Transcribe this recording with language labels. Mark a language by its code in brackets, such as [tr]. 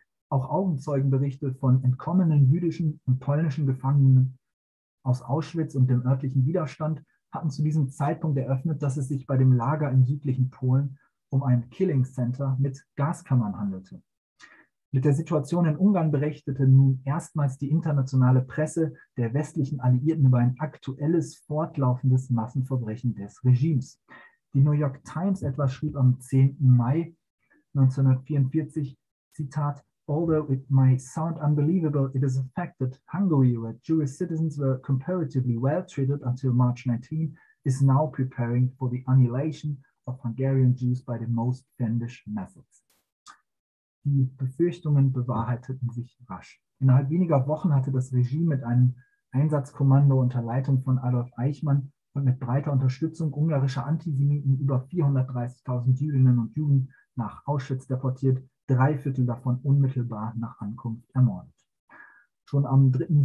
[de] Auch Augenzeugenberichte von entkommenen jüdischen und polnischen Gefangenen aus Auschwitz und dem örtlichen Widerstand hatten zu diesem Zeitpunkt eröffnet, dass es sich bei dem Lager im südlichen Polen um ein Killing Center mit Gaskammern handelte. Mit der Situation in Ungarn berichtete nun erstmals die internationale Presse der westlichen Alliierten über ein aktuelles, fortlaufendes Massenverbrechen des Regimes. Die New York Times etwa schrieb am 10. Mai 1944, Zitat, [en] "Although it may sound unbelievable, it is a fact that Hungary, where Jewish citizens were comparatively well treated until March 19, is now preparing for the annihilation of Hungarian Jews by the most fiendish methods." [de] Die Befürchtungen bewahrheiteten sich rasch. Innerhalb weniger Wochen hatte das Regime mit einem Einsatzkommando unter Leitung von Adolf Eichmann und mit breiter Unterstützung ungarischer Antisemiten über 430.000 Jüdinnen und Juden nach Auschwitz deportiert, 3/4 davon unmittelbar nach Ankunft ermordet. Schon am 3.